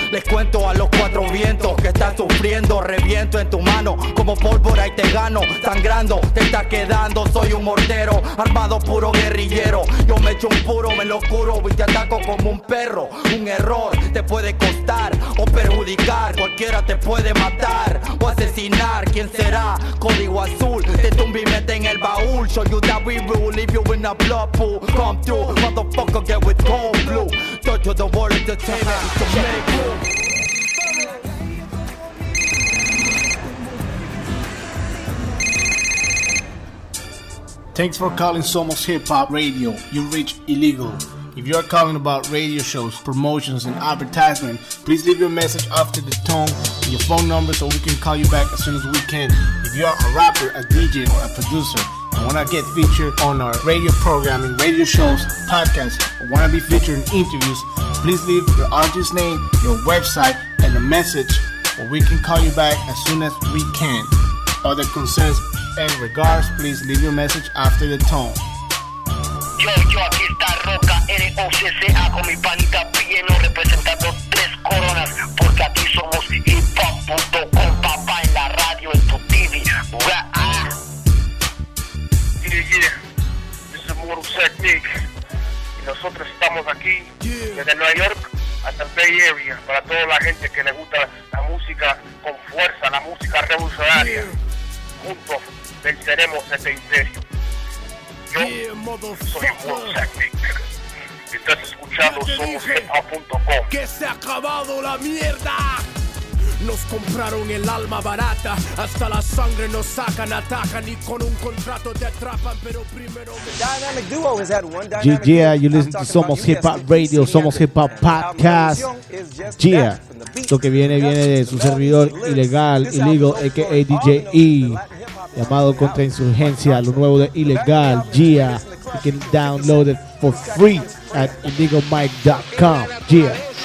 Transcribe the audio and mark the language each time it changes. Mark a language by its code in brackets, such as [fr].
[es] Les cuento a los cuatro vientos que estás sufriendo, reviento en tu mano como pólvora y te gano, sangrando, te está quedando. Soy un mortero, armado puro guerrillero, yo me echo un puro, me lo curo y te ataco como un perro. Un error te puede costar o perjudicar, cualquiera te puede matar o asesinar. ¿Quién será? Código azul, te tumba y mete en el baúl. [en] Show you that we rule, leave you in a blood pool. Come through, motherfucker, get with cold blue. Touch of the world entertainment, so make blue. Thanks for calling Somos Hip Hop Radio. You reach illegal. If you are calling about radio shows, promotions, and advertisement, please leave your message after the tone and your phone number so we can call you back as soon as we can. If you are a rapper, a DJ, or a producer, and want to get featured on our radio programming, radio shows, podcasts, or want to be featured in interviews, please leave your artist's name, your website, and a message so we can call you back as soon as we can. Other concerns and regards, please leave your message after the tone. [es] Yo, aquí está Roca, R-O-C-C-A, con mi panita Pieno, representando tres coronas, porque aquí somos hiphop.com, papá, en la radio, en tu TV. [en] Yeah, yeah, this is Moro Technique, [es] y nosotros estamos aquí, desde Nueva York hasta el Bay Area, para toda la gente que le gusta la música con fuerza, la música revolucionaria. Juntos venceremos este imperio. Yo soy Moro Technique. Estás escuchando Somos Hip-Hop.com. Que se ha acabado la mierda. Nos compraron el alma barata. Hasta la sangre nos sacan, atacan. Y con un contrato te atrapan, pero primero... [en] Dynamic Duo is at one dynamic... Yeah, yeah, you listen to Somos Hip Hop Radio, Somos Hip Hop Podcast. [es] Yeah, lo que viene, viene de su servidor ilegal, illegal, a.k.a. DJ E. Llamado Contra Insurgencia, lo nuevo de Ilegal, yeah. [en] You can download it for free at illegalmic.com, yeah.